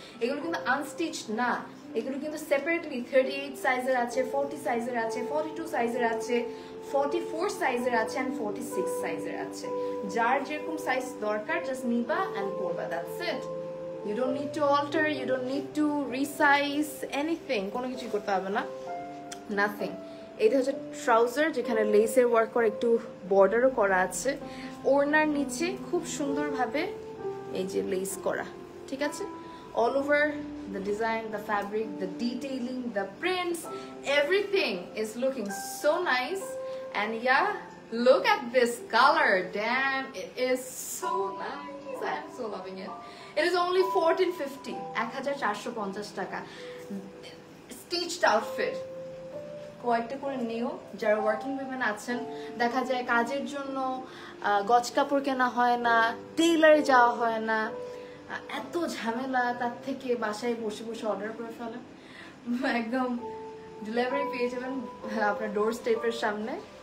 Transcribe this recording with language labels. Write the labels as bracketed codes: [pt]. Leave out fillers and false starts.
[bn] এগুলো কিন্তু আনস্টিচড না, এগুলো কিন্তু সেপারেটলি 38 সাইজের আছে, 40 সাইজের আছে, 42 সাইজের আছে, 44 সাইজের আছে, এন্ড 46 সাইজের আছে। যার যেরকম সাইজ দরকার জাস্ট নিবা and পরবা, that's it. [en] you don't need to alter, you don't need to resize anything, [bn] কোনো কিছু করতে হবে না, [en] Nothing. [bn] এটা হচ্ছে ট্রাউজার যেখানে লেসের ওয়ার্ক করা, একটু বর্ডারও করা আছে। ওড়নার নিচে খুব সুন্দরভাবে এই যে লেস করা, ঠিক আছে, [en] all over the design, the fabric, the detailing, the prints, everything is looking so nice. And yeah, look at this color, damn, it is so nice, I am so loving it. It is only 1450 taka stitched outfit. [bn] কয়েকটা করে নিও, যারা working women আছেন, দেখা যায় কাজের জন্য গজ কাপড় কেনা হয় না, টেইলারে যাওয়া হয় না, এত ঝামেলা, তার থেকে বাসায় বসে বসে অর্ডার করে ফেলেন, একদম ডেলিভারি পেয়ে যাবেন আপনার ডোর স্টেপের সামনে।